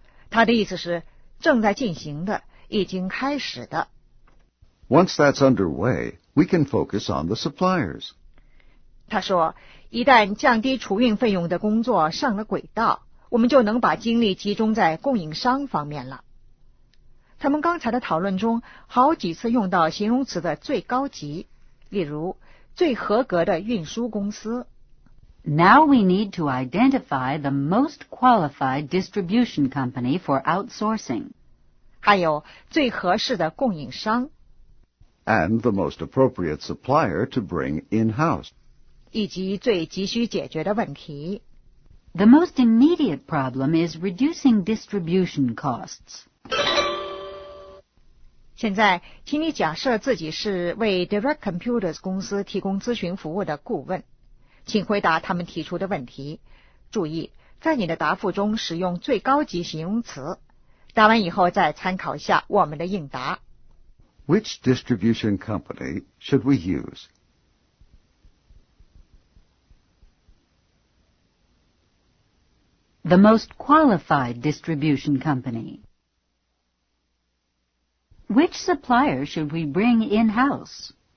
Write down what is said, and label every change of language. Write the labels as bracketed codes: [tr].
[zh] 它的意思是正在进行的，已经开始的。 [en] Once that's underway, we can focus on the suppliers. [zh] 他说一旦降低储运费用的工作上了轨道我们就能把精力集中在供应商方面了。他们刚才的讨论中好几次用到形容词的最高级例如最合格的运输公司。 [en] Now we need to identify the most qualified distribution company for outsourcing. [zh] 还有最合适的供应商。 [en] And the most appropriate supplier to bring in-house. [zh] 以及最急需解决的问题。 [en] The most immediate problem is reducing distribution costs. [zh] 现在请你假设自己是为 Direct Computers 公司提供咨询服务的顾问。请回答他们提出的问题。注意在你的答复中使用最高级形容词。答完以后再参考一下我们的应答。 [en] Which distribution company should we use? The most qualified distribution company. Which supplier should we bring in-house?